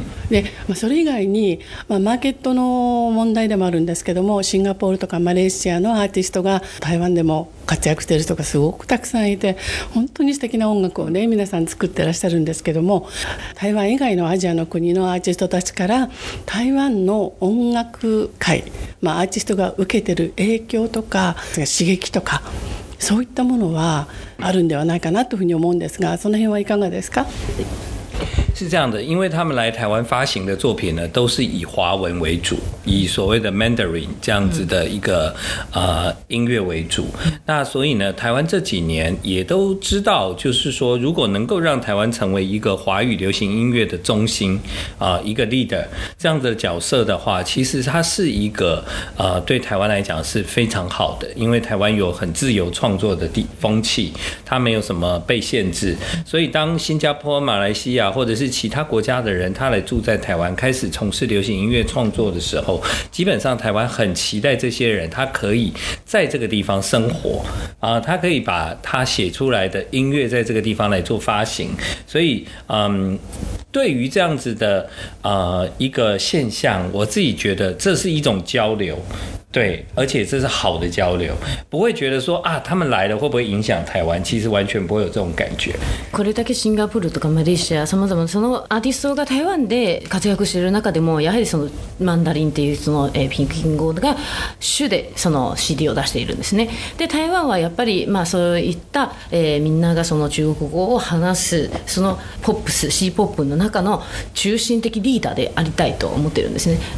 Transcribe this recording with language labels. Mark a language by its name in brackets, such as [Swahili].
[Japanese] で、それ以外に、マーケットの問題でもあるんですけども、シンガポールとかマレーシアのアーティストが台湾でも活躍してる人がすごくたくさんいて、本当に素敵な音楽をね、皆さん作ってらっしゃるんですけども、台湾以外のアジアの国のアーティストたちから、台湾の音楽界、アーティストが受けてる影響とか刺激とか、そういったものはあるんではないかなというふうに思うんですが、その辺はいかがですか？ [Chinese] 是这样的，因为他们来台湾发行的作品呢，都是以华文为主，以所谓的 Mandarin 这样子的一个、音乐为主。那所以呢，台湾这几年也都知道，就是说如果能够让台湾成为一个华语流行音乐的中心、一个 leader 这样的角色的话，其实它是一个、对台湾来讲是非常好的，因为台湾有很自由创作的风气，它没有什么被限制。所以当新加坡、马来西亚或者是其他国家的人他来住在台湾开始从事流行音乐创作的时候，基本上台湾很期待这些人他可以在这个地方生活、他可以把他写出来的音乐在这个地方来做发行。所以对于这样子的一个现象，我自己觉得这是一种交流，对，而且这是好的交流，不会觉得说啊，他们来了会不会影响台湾？其实完全不会有这种感觉。 [Japanese] これだけシンガポールとかマレーシア、様々なそのアーティストが台湾で活躍している中でも、やはりそのマンダリンっていうそのピンク金剛が主でその CD を出しているんですね。で、台湾はやっぱりまあそういった、みんながその中国語を話すそのポップス、シーポップの中の中心的リーダーでありたいと思ってるんですね。